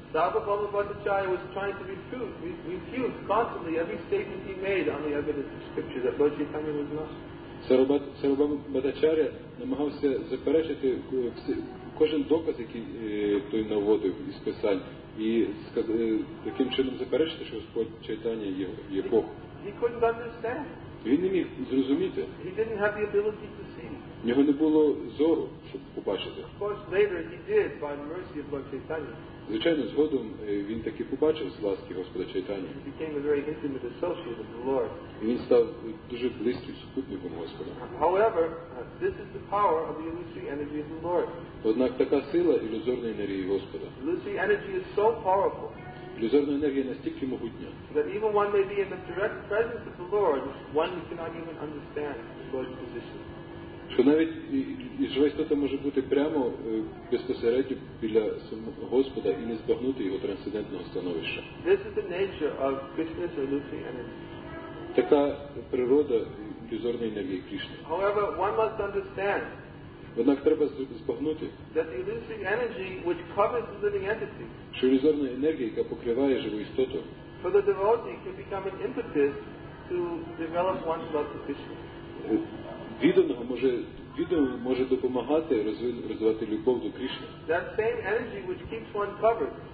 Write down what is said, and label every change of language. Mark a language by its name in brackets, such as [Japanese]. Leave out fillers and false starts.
[English] Sarvabhauma Bhattacharya was trying to refute constantly every statement he made on the evidence of scripture that Lord Chaitanya was not. [Ukrainian] Sarvabhauma Bhattacharya намагався заперечити кожен доказ, який той наводив із писань, і таким чином заперечити, що Господь Чайтанья є Бог. [English] He couldn't understand. [Ukrainian] Він не міг зрозуміти. [English] He didn't have the ability to see. [Ukrainian] У нього не було зору, щоб побачити. [English] Of course, later he did, by the mercy of Lord Chaitanya. [Ukrainian] Звичайно, згодом він таки побачив з ласки Господа Чайтанья. [English] He became a very intimate associate of the Lord. [Ukrainian] І він став дуже близьким супутником Господа. [English] However, this is the power of the illusory energy of the Lord. [Ukrainian] Однак така сила ілюзорної енергії Господа. [English] Illusory energy is so powerful. [Ukrainian] Ілюзорна енергія настільки могутня. [English] That even one may be in the direct presence of the Lord, one cannot even understand the Lord's position. [Ukrainian] Що навіть живе істота може бути прямо безпосередньо біля самого Господа і не збагнути його трансцендентного становища. [English] This is the nature of Krishna's illusory energy. [Ukrainian] Така природа ілюзорної енергії Кришни. [English] However, one must understand. [Ukrainian] Однак треба збагнути. [English] That the illusory energy which covers the living entity. [Ukrainian] Що ілюзорна енергія, яка покриває живу істоту. [English] For the devotee can become an impetus to develop one's love to Krishna. [Ukrainian] Відданого може допомагати розвивати любов до Кришни. [English] That same energy which keeps one covered.